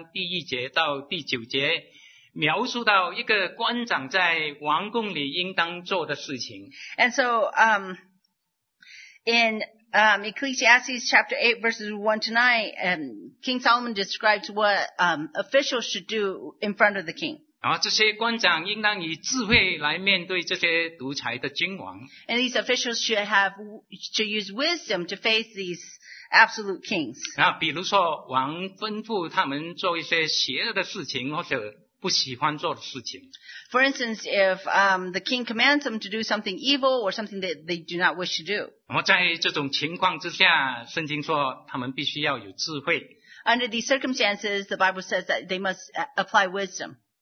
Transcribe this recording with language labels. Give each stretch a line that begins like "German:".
Chinese: 所以所罗门王在今天早上所看的经文第八章第一节到第九节, 描述到一个官长在王宫里应当做的事情。
English: And so, in Ecclesiastes chapter 8 verses 1 to 9, King Solomon describes what officials should do in front of the king.
Chinese: 然后这些官长应当以智慧来面对这些独裁的君王。
English: And these officials should have to use wisdom to face these absolute kings.
Chinese: 然后比如说王吩咐他们做一些邪恶的事情或者不喜欢做的事情。
English: For instance, if the king commands them to do something evil or something that they do not wish to do.
Chinese: 然后在这种情况之下,圣经说他们必须要有智慧。
English: Under these circumstances, the Bible says that they must apply wisdom.